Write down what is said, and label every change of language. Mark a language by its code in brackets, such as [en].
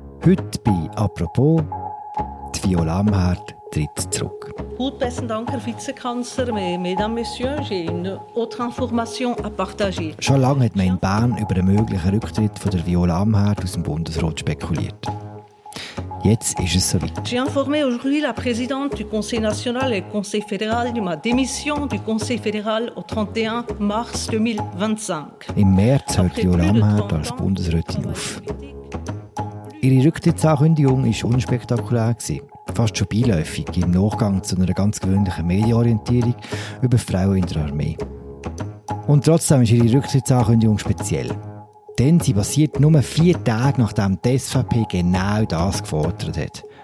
[de] Heute bei «Apropos», die Viola Amherd tritt zurück. Gut, besten Dank, Herr Vizekanzler. [fr] Mesdames, Messieurs, j'ai une autre information à partager. [de] Schon lange hat man in Bern über einen möglichen Rücktritt von der Viola Amherd aus dem Bundesrat spekuliert. Jetzt ist es soweit. [fr] J'ai informé aujourd'hui la présidente du Conseil national et Conseil fédéral de ma démission du Conseil fédéral au 31 mars 2025. [de] Im März hört Viola Amherd als Bundesrätin auf. Ihre Rücktrittsankündigung war unspektakulär. Fast schon beiläufig im Nachgang zu einer ganz gewöhnlichen Medienorientierung über Frauen in der Armee. Und trotzdem ist ihre Rücktrittsankündigung speziell. Denn sie basiert nur 4 Tage, nachdem die SVP genau das gefordert hat.